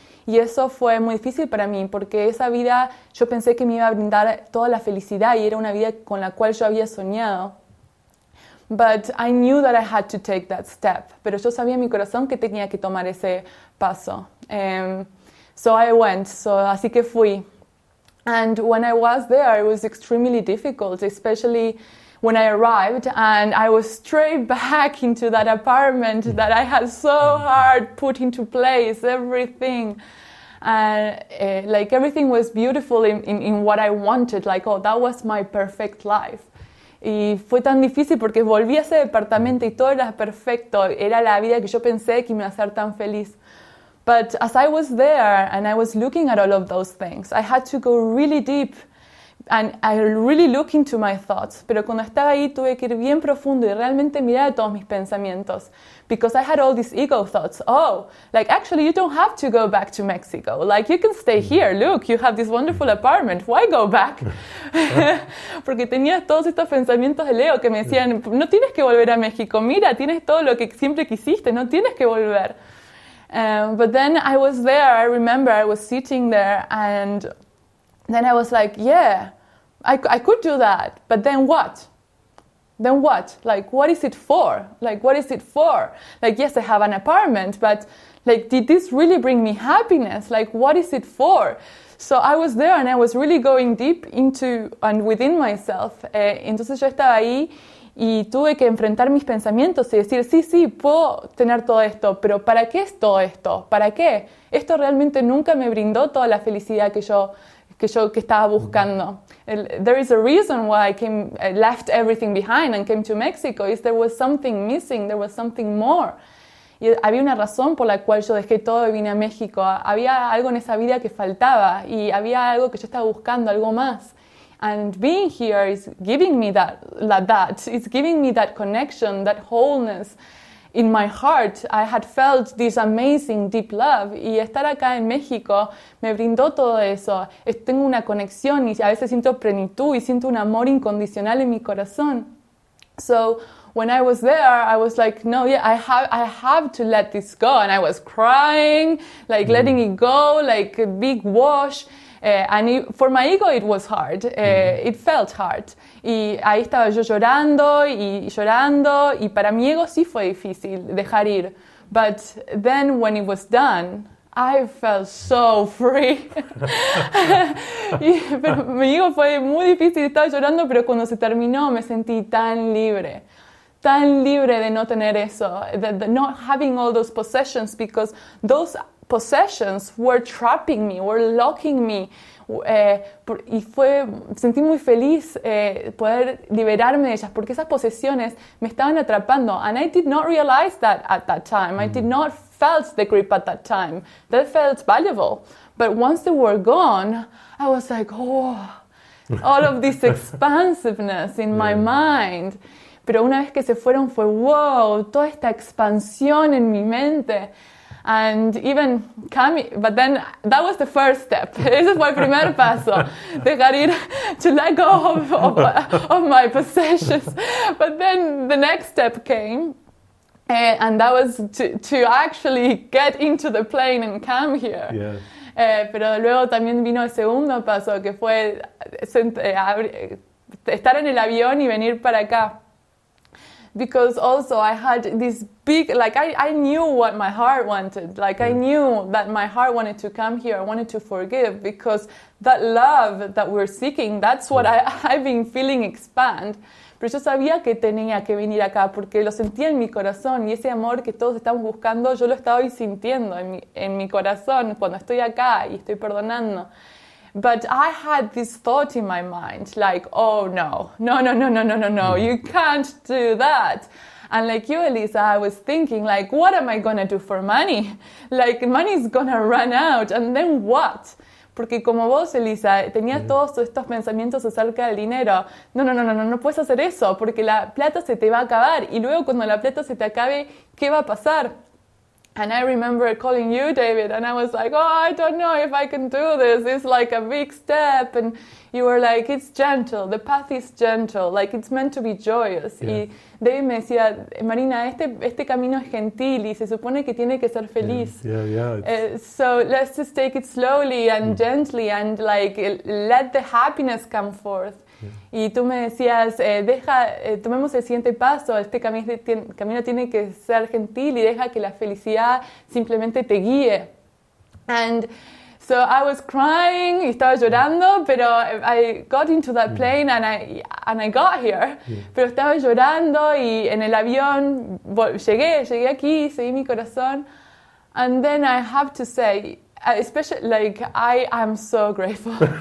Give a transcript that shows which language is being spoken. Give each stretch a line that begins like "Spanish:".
Spanish: Y eso fue muy difícil para mí porque esa vida yo pensé que me iba a brindar toda la felicidad y era una vida con la cual yo había soñado.
English: But I knew that I had to take that step.
Spanish: Pero yo sabía en mi corazón que tenía que tomar ese paso. Así que fui.
English: And when I was there, it was extremely difficult, especially when I arrived and I was straight back into that apartment that I had so hard put into place, everything. And everything was beautiful in what I wanted. Like, oh, that was my perfect life.
Spanish: Y fue tan difícil porque volví a ese departamento y todo era perfecto. Era la vida que yo pensé que me iba a hacer tan feliz.
English: But as I was there and I was looking at all of those things, I had to go really deep. And I really look into my thoughts.
Spanish: Pero cuando estaba ahí, tuve que ir bien profundo y realmente mirar todos mis pensamientos.
English: Because I had all these ego thoughts. Oh, like, actually, you don't have to go back to Mexico. Like, you can stay here. Look, you have this wonderful apartment. Why go back?
Spanish: Porque tenía todos estos pensamientos de Leo que me decían, no tienes que volver a México. Mira, tienes todo lo que siempre quisiste. No tienes que volver.
English: But then I was there. I remember I was sitting there and then I was like, yeah, I could do that, but then what? Then what? Like, what is it for? Like, what is it for? Like, yes, I have an apartment, but like, did this really bring me happiness? Like, what is it for? So I was there and I was really going deep into and within myself.
Spanish: Entonces yo estaba ahí y tuve que enfrentar mis pensamientos y decir, sí, sí, puedo tener todo esto, pero ¿para qué es todo esto? ¿Para qué? Esto realmente nunca me brindó toda la felicidad que estaba buscando.
English: There is a reason why I left everything behind and came to Mexico. Is there was something missing. There was something more.
Spanish: Y había una razón por la cual yo dejé todo y vine a México. Había algo en esa vida que faltaba y había algo que yo estaba buscando, algo más.
English: And being here is giving me that. It's giving me that connection, that wholeness. in my heart, I had felt this amazing deep love.
Spanish: Y estar acá en México me brindó todo eso. Tengo una conexión y a veces siento plenitud y siento un amor incondicional en mi corazón.
English: So when I was there, I was like, no, yeah, I have to let this go. And I was crying, like letting it go, like a big wash. And it, for my ego, it was hard. It felt hard.
Spanish: Y ahí estaba yo llorando y llorando. Y para mi ego sí fue difícil dejar ir.
English: But then when it was done, I felt so free.
Spanish: Pero mi ego fue muy difícil. Estaba llorando, pero cuando se terminó, me sentí tan libre. Tan libre de no tener eso.
English: De not having all those possessions, because those possessions were trapping me, were locking me.
Spanish: Y fue, sentí muy feliz poder liberarme de ellas, porque esas posesiones me estaban atrapando.
English: And I did not realize that at that time. I did not felt the grip at that time. That felt valuable. But once they were gone, I was like, oh, all of this expansiveness in my mind.
Spanish: Pero una vez que se fueron fue, wow, toda esta expansión en mi mente.
English: And even coming, but then that was the first step.
Spanish: Ese fue el primer paso, dejar ir,
English: to let go of my possessions. But then the next step came, and that was to actually get into the plane and come here. Yes.
Spanish: Pero luego también vino el segundo paso, que fue estar en el avión y venir para acá.
English: Because also I had this big, like I knew what my heart wanted. Like I knew that my heart wanted to come here. I wanted to forgive, because that love that we're seeking, that's what I've been feeling expand.
Spanish: Pero yo sabía que tenía que venir acá porque lo sentía en mi corazón. Y ese amor que todos estamos buscando, yo lo estaba sintiendo en mi corazón cuando estoy acá y estoy perdonando.
English: But I had this thought in my mind, like, oh, no, you can't do that. And like you, Elisa, I was thinking, like, what am I going to do for money? Like, money's going to run out, and then what?
Spanish: Porque como vos, Elisa, tenías todos estos pensamientos acerca del dinero, no puedes hacer eso, porque la plata se te va a acabar, y luego cuando la plata se te acabe, ¿qué va a pasar?
English: And I remember calling you, David, and I was like, oh, I don't know if I can do this. It's like a big step. And you were like, it's gentle. The path is gentle. Like, it's meant to be joyous. Yeah.
Spanish: Y David me decía, Marina, este camino es gentil y se supone que tiene que ser feliz.
English: Yeah. So let's just take it slowly and gently and like let the happiness come forth.
Spanish: Y tú me decías, tomemos el siguiente paso, este camino tiene que ser gentil y deja que la felicidad simplemente te guíe.
English: And so I was crying,
Spanish: estaba llorando,
English: pero I got into that plane and I got here. Yeah.
Spanish: Pero estaba llorando y en el avión llegué aquí, seguí mi corazón.
English: And then I have to say, especially, like, I am so grateful.